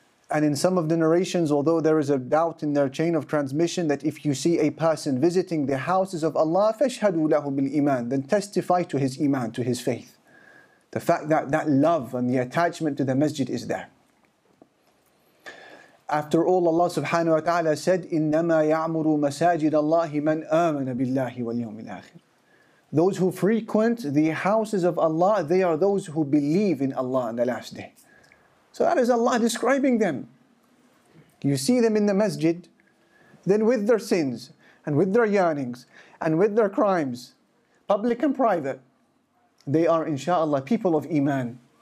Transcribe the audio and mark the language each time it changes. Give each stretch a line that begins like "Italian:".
English: And in some of the narrations, although there is a doubt in their chain of transmission, that if you see a person visiting the houses of Allah,
Arabic: فَاشْهَدُوا لَهُ بِالْإِيمَانِ,
English: then testify to his iman, to his faith. The fact that that love and the attachment to the masjid is there. After all, Allah subhanahu wa ta'ala said,
Arabic: إِنَّمَا يَعْمُرُ مَسَاجِدَ اللَّهِ مَنْ آمَنَ بِاللَّهِ وَالْيَوْمِ الْآخِرِ.
English: Those who frequent the houses of Allah, they are those who believe in Allah on the last day. So that is Allah describing them. You see them in the masjid, then with their sins, and with their yearnings, and with their crimes, public and private, they are inshallah people of iman.